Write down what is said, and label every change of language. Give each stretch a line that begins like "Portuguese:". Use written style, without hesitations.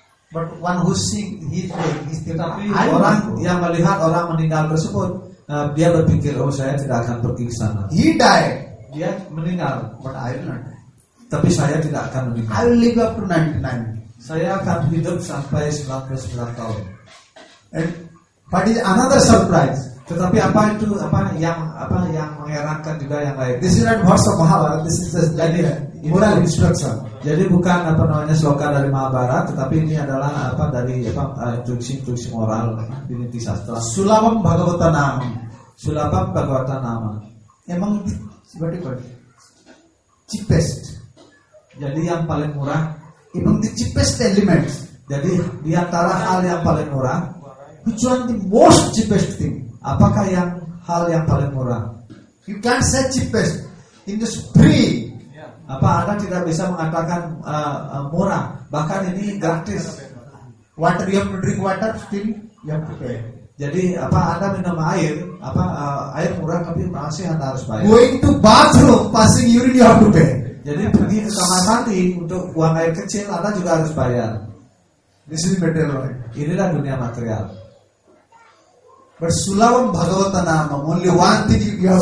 English: But one who sing his way, his
Indonesian: tetapi orang yang melihat orang meninggal tersebut, dia berpikir, oh saya tidak akan pergi ke sana.
English: He died.
Indonesian: Dia meninggal.
English: But I will not.
Indonesian: Tapi saya tidak akan meninggal.
English: I will live up to 99.
Indonesian: Saya akan hidup sampai 99 tahun.
English: And but it's another surprise.
Indonesian: Tetapi apa itu apa yang mengherankan juga yang lain.
English: This is not verse of Mahabharata. This is just
Indonesian: jadi
English: moral instruction.
Indonesian: Jadi bukan apa namanya sloka dari Mahabharata, tetapi ini adalah apa dari apa instruksi moral di Niti Sastra.
Sanskrit: Sulabam Bhagavata Nama. Sulabam Bhagavata Nama.
English: Emang the cheapest.
Indonesian: Jadi yang paling murah.
English: Emang the cheapest elements.
Indonesian: Jadi di antara hal yang paling murah.
English: Which one the most cheapest thing?
Indonesian: Apakah yang hal yang paling murah?
English: You can't say cheapest in the free.
Indonesian: Apa anda tidak bisa mengatakan murah? Bahkan ini gratis.
English: Water you have to drink water still you have to pay.
Indonesian: Jadi apa anda minum air? Apa air murah tapi masih anda harus bayar.
English: Going to bathroom passing urine you have to pay.
Indonesian: Jadi pergi ke kamar mandi untuk buang air kecil anda juga harus bayar.
English: This is material world.
Indonesian: Inilah dunia material.
English: But
Sanskrit: sulabam bhagavata namam,
English: only one thing you have